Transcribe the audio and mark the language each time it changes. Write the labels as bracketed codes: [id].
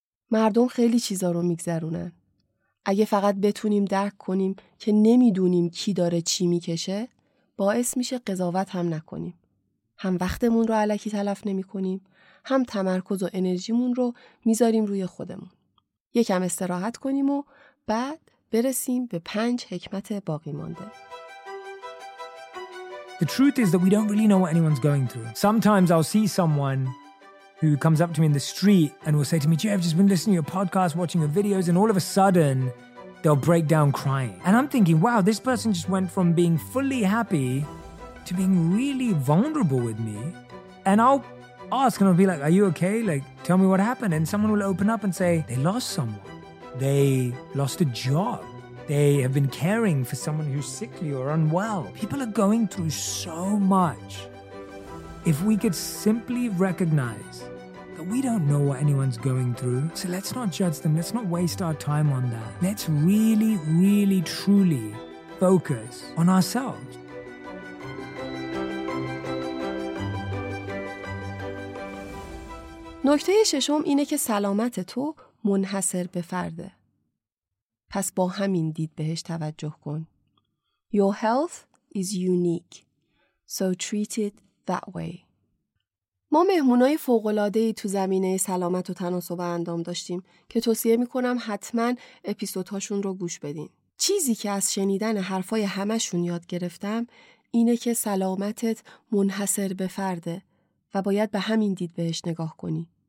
[fa] مردم خیلی چیزا رو میگذرونن. اگه فقط بتونیم درک کنیم که نمیدونیم کی داره چی میکشه، باعث میشه قضاوت هم نکنیم. هم وقتمون رو الکی تلف نمیکنیم، هم تمرکز و انرژیمون رو میذاریم روی خودمون. یکم استراحت کنیم و بعد برسیم به 5 حکمت باقی مانده. [en] The truth is that we don't really know what anyone's going through. Sometimes I'll see someone who comes up to me in the street and will say to me, "Gee, I've just been listening to your podcast, watching your videos," and all of a sudden they'll break down crying. And I'm thinking, "Wow, this person just went from being fully happy to being really vulnerable with me." And I'll ask and I'll be like, "Are you okay? Like, tell me what happened." And someone will open up and say, "They lost someone. They lost a job. They have been caring for someone who's sickly or unwell." People are going through so much. If we could simply recognize that we don't know what anyone's going through, so let's not judge them, let's not waste our time on that. Let's really, really, truly focus on ourselves. [fa] نکته ششم اینه که سلامت تو منحصر به فرده. پس با همین دید بهش توجه کن. [en] Your health is unique, so treat it that way. [fa] ما مهمونای فوق‌العاده‌ای تو زمینه سلامت و تناسب اندام داشتیم که توصیه می‌کنم حتماً اپیزودهاشون رو گوش بدین. چیزی که از شنیدن حرفای همه‌شون یاد گرفتم اینه که سلامتت منحصر به فرده و باید به همین دید بهش نگاه کنی.